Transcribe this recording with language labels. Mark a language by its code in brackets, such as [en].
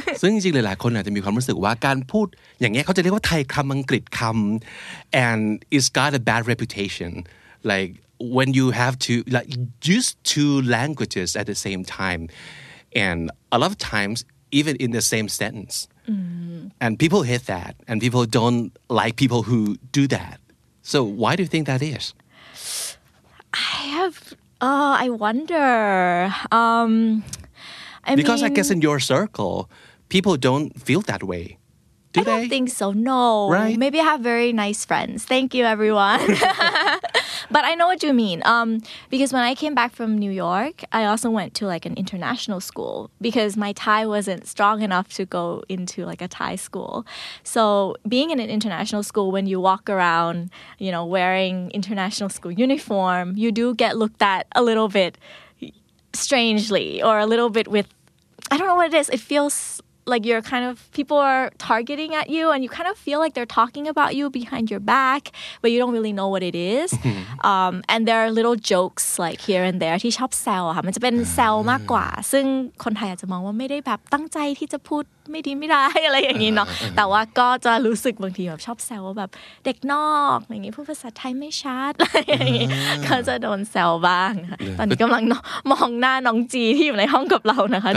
[th] ซึ่งจริงๆหลายๆคนอาจจะมีความรู้สึกว่าการพูดอย่างเงี้ยเขาจะเรียกว่าไทยคำอังกฤษคำ [en] and it's got a bad reputation like when you have to like use two languages at the same time and a lot of timesEven in the same sentence. Mm. And people hate that. And people don't like people who do that. So why do you think that is? I wonder. I guess in your circle, people don't feel that way. Do they? I don't think so, no. Right? Maybe I have very nice friends. Thank you, everyone. But I know what you mean. Because when I came back from New York, I also went to like an international school because my Thai wasn't strong enough to go into like a Thai school. So being in an international school, when you walk around, you know, wearing international school uniform, you do get looked at a little bit strangely or a little bit with, I don't know what it is. It feels like you're kind of, people are targeting at you and you kind of feel like they're talking about you behind your back, but you don't really know what it is. And there are little jokes like here and there. [th] ที่ชอบแซวค่ะมันจะเป็นแซวมากกว่าซึ่งคนไทยอาจจะมองว่าไม่ได้แบบตั้งใจที่จะพูดไม่ดีไม่ได้อะไรอย่างนี้เนาะแต่ว่าก็จะรู้สึกบางทีแบบชอบแซวแบบเด็กนอกอย่างนี้พูดภาษาไทยไม่ชัดอะไรอย่างนี้ก็จะโดนแซวบ้างตอนนี้กำลังมองหน้าน้องจีที่อยู่ในห้องกับเรานะคะ